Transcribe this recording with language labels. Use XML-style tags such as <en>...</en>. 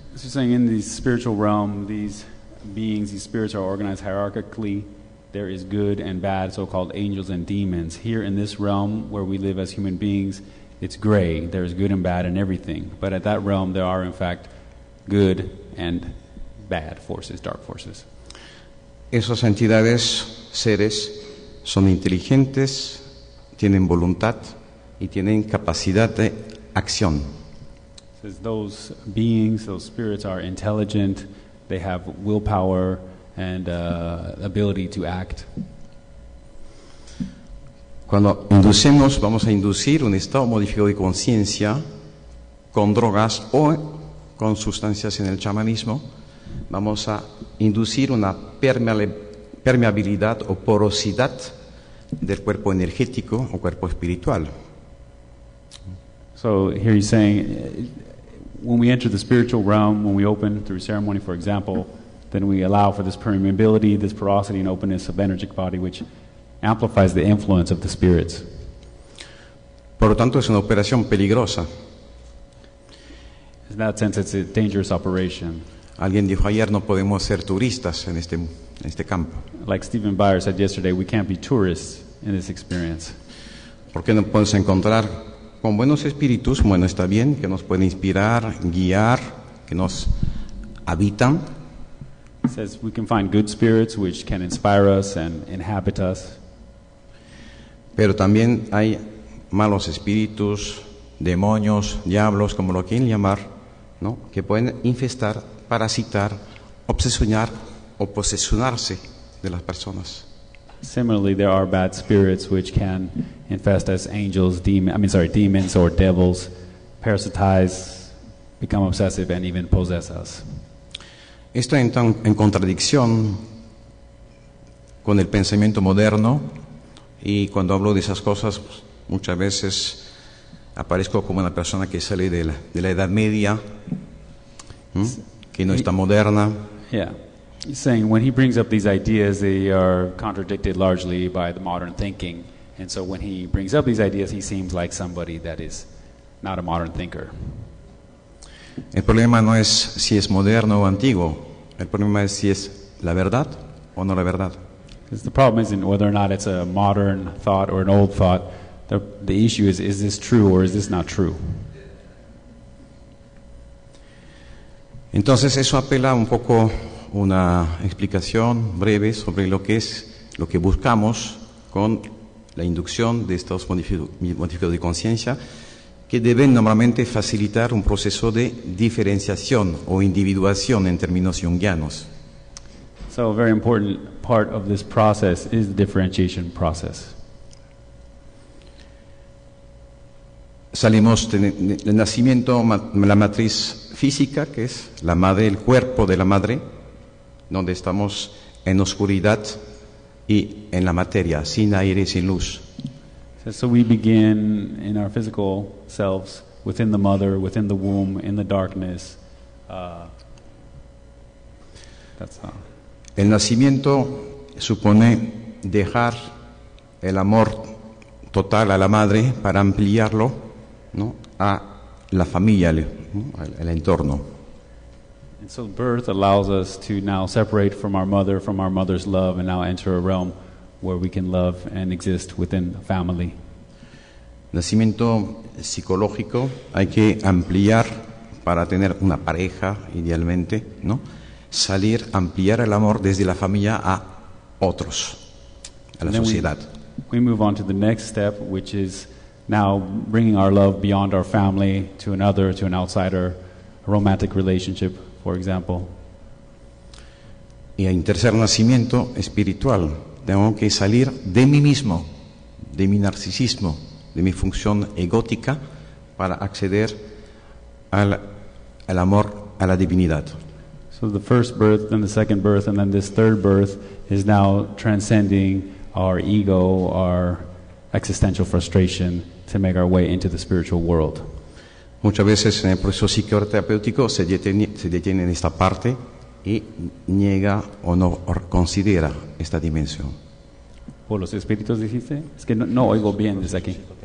<en>So saying in the spiritual realm, these beings, these spirits are organized hierarchically. There is good and bad, so-called angels and demons. Here in this realm where we live as human beings, it's gray. There's good and bad and everything. But at that realm, there are, in fact, good and bad forces, dark forces.</en> <es>Esas entidades, seres, son inteligentes, tienen voluntad y tienen capacidad de acción.</es> <en>Says those beings, those spirits are intelligent, they have willpower and ability to act.</en> <es>Cuando inducimos, vamos a inducir un estado modificado de conciencia con drogas o con sustancias en el chamanismo, vamos a inducir una permeabilidad o porosidad del cuerpo energético o cuerpo espiritual.</es> <en>So here he's saying, when we enter the spiritual realm, when we open through ceremony, for example, then we allow for this permeability, this porosity and openness of energetic body, which amplifies the influence of the spirits.</en> <es>Por lo tanto, es una operación peligrosa.</es> <en>In that sense, it's a dangerous operation.</en> <es>Alguien dijo ayer, no podemos ser turistas en este campo.</es> <en>Like Stephen Byer said yesterday, we can't be tourists in this experience.</en> <es>¿Por qué no podemos encontrar con buenos espíritus, bueno, está bien, que nos pueden inspirar, guiar, que nos habitan?</es> <en>It says we can find good spirits which can inspire us and inhabit us.</en> <es>Pero también hay malos espíritus, demonios, diablos, como lo quieren llamar, ¿no? Que pueden infestar, parasitar, obsesionar o posesionarse de las personas.</es> <en>Similarly, there are bad spirits which can infest as angels, demons or devils, parasitize, become obsessive and even possess us.</en> <es>Esto entra en contradicción con el pensamiento moderno, y cuando hablo de esas cosas, muchas veces aparezco como una persona que sale de la Edad Media, que no está moderna.</es> <en>Yeah. He's saying when he brings up these ideas, they are contradicted largely by the modern thinking. And so when he brings up these ideas, he seems like somebody that is not a modern thinker.</en> <es>El problema no es si es moderno o antiguo. El problema es si es la verdad o no la verdad.</es> <en>The problem isn't whether or not it's a modern thought or an old thought. The issue is this true or is this not true?</en> <es>Entonces eso apela un poco una explicación breve sobre lo que es, lo que buscamos con la inducción de estados modificados de conciencia, que deben normalmente facilitar un proceso de diferenciación o individuación en términos jungianos.</es> <en>So a very important part of this process is the differentiation process.</en> <es>Salimos del nacimiento, la matriz física, que es la madre, el cuerpo de la madre, donde estamos en oscuridad y en la materia, sin aire, sin luz.</es> <en>So we begin in our physical selves, within the mother, within the womb, in the darkness. That's all.</en> <es>El nacimiento supone dejar el amor total a la madre para ampliarlo, ¿no?, a la familia, al entorno.</es> <en>And so birth allows us to now separate from our mother, from our mother's love, and now enter a realm where we can love and exist within a family.</en> <es>Nacimiento psicológico, hay que ampliar para tener una pareja, idealmente, ¿no? Salir, ampliar el amor desde la familia a otros, a la sociedad.</es> <en>We move on to the next step, which is now bringing our love beyond our family to another, to an outsider, a romantic relationship, for example.</en> <es>Y en tercer nacimiento espiritual, tengo que salir de mí mismo, de mi narcisismo, de mi función egótica, para acceder al amor a la divinidad.</es> <en>So the first birth, then the second birth, and then this third birth is now transcending our ego, our existential frustration, to make our way into the spiritual world.</en> <es>Muchas veces en el proceso psicoterapéutico se detiene en esta parte y niega o no considera esta dimensión. ¿Por los espíritus dijiste? Es que no oigo bien desde aquí.</es>